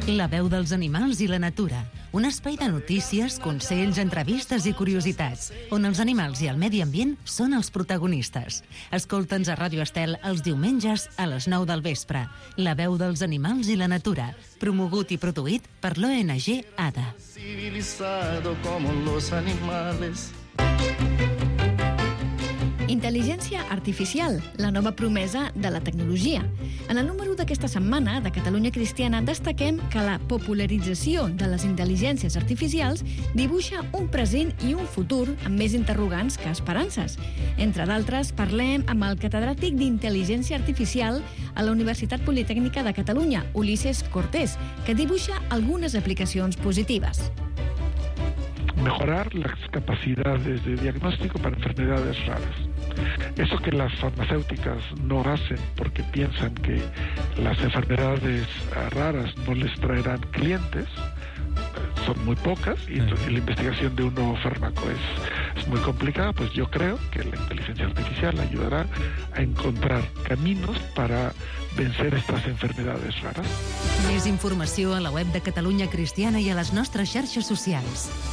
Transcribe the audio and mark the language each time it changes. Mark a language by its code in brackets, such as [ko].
[ca] La veu dels animals i la natura. un espai de notícies, consells, entrevistes i curiositats, on els animals i el medi ambient són els protagonistes. Escolta'ns a Ràdio Estel els diumenges a les 9 del vespre. La veu dels animals i la natura, promogut i produït per l'ONG ADA. [es] Civilizado como los animales. [ca] Intel·ligència artificial, la nova promesa de la tecnologia. En el número d'aquesta setmana de Catalunya Cristiana destaquem que la popularització de les intel·ligències artificials dibuixa un present i un futur amb més interrogants que esperances. Entre d'altres, parlem amb el catedràtic d'intel·ligència artificial a la Universitat Politècnica de Catalunya, Ulises Cortés, que dibuixa algunes aplicacions positives. [es] Mejorar las capacidades de diagnóstico para enfermedades raras. Eso que las farmacéuticas no hacen porque piensan que las enfermedades raras no les traerán clientes, son muy pocas, y entonces la investigación de un nuevo fármaco es muy complicada, pues yo creo que la inteligencia artificial ayudará a encontrar caminos para vencer estas enfermedades raras. [ca] Més informació a la web de Catalunya Cristiana i a les nostres xarxes socials.